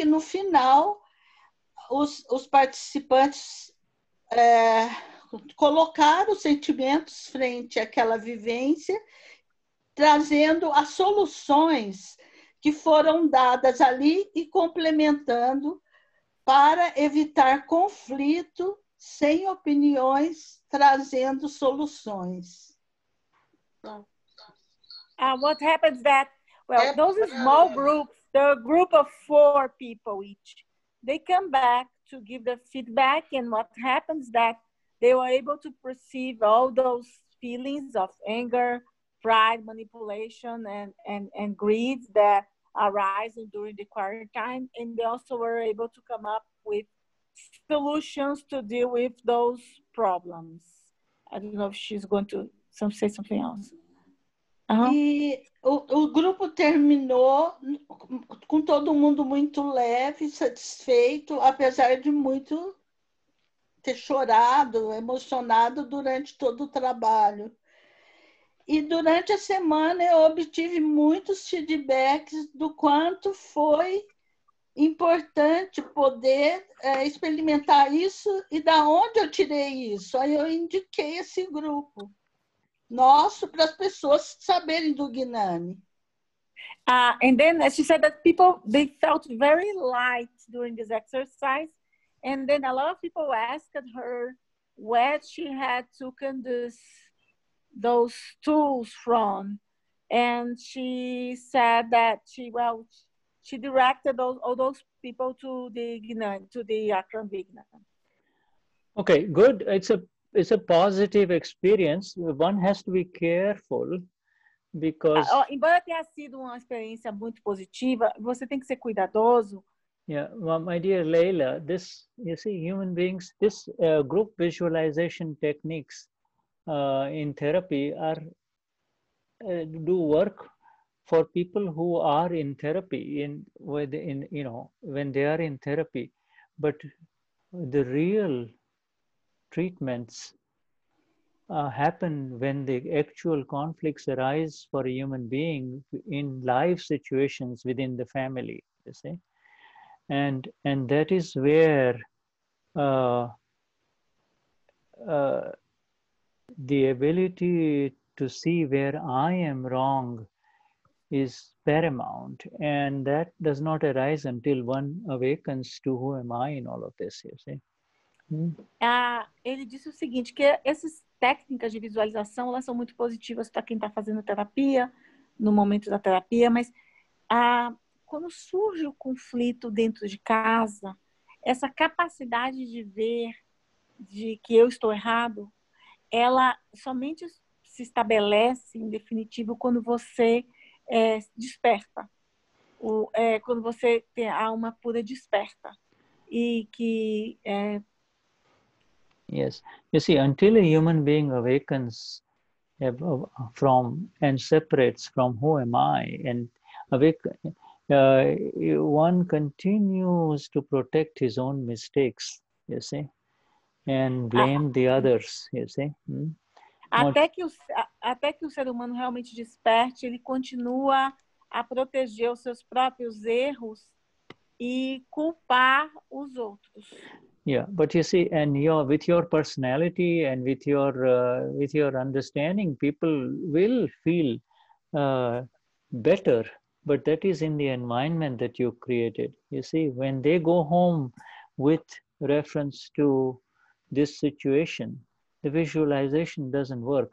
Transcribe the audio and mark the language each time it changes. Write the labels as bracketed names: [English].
[Portuguese] E no final, os participantes colocaram sentimentos frente àquela vivência, trazendo as soluções que foram dadas ali e complementando para evitar conflito sem opiniões, trazendo soluções. [English] What happens that, well, those small groups, the group of 4 people each, they come back to give the feedback, and what happens that they were able to perceive all those feelings of anger, pride, manipulation, and greed that arise during the quarantine, and they also were able to come up with solutions to deal with those problems. I don't know if she's going to say something else. Uhum. [Portuguese] E o grupo terminou com todo mundo muito leve, satisfeito, apesar de muito ter chorado, emocionado durante todo o trabalho. E durante a semana eu obtive muitos feedbacks do quanto foi importante poder experimentar isso e da onde eu tirei isso. Aí eu indiquei esse grupo nosso para as pessoas saberem do Gnani. [English] And then she said that people, they felt very light during this exercise. And then a lot of people asked her where she had taken those tools from. And she said that she directed all those people to the Gnani, to the Akram Vignan. Okay, good. It's a positive experience. One has to be careful because... [Portuguese] Embora tenha sido uma experiência muito positiva, você tem que ser cuidadoso. [English] Yeah, well, my dear Leila, this, you see, human beings, this group visualization techniques in therapy are do work for people who are in therapy, when they are in therapy. But the real treatments happen when the actual conflicts arise for a human being in life situations within the family, you see. And that is where the ability to see where I am wrong is paramount. And that does not arise until one awakens to who am I in all of this, you see. [Portuguese] Ele disse o seguinte, que essas técnicas de visualização, elas são muito positivas para quem está fazendo terapia, no momento da terapia, mas quando surge o conflito dentro de casa, essa capacidade de ver de que eu estou errado, ela somente se estabelece, em definitivo, quando você desperta. Quando você tem a alma pura desperta. E que... [English] Yes. You see, until a human being awakens from and separates from who am I and awaken, one continues to protect his own mistakes, you see, and blame the others, you see. [Portuguese] Até que o ser humano realmente desperte, ele continua a proteger os seus próprios erros e culpar os outros. [English] Yeah, but you see, and with your personality and with your understanding, people will feel better. But that is in the environment that you created. You see, when they go home with reference to this situation, the visualization doesn't work.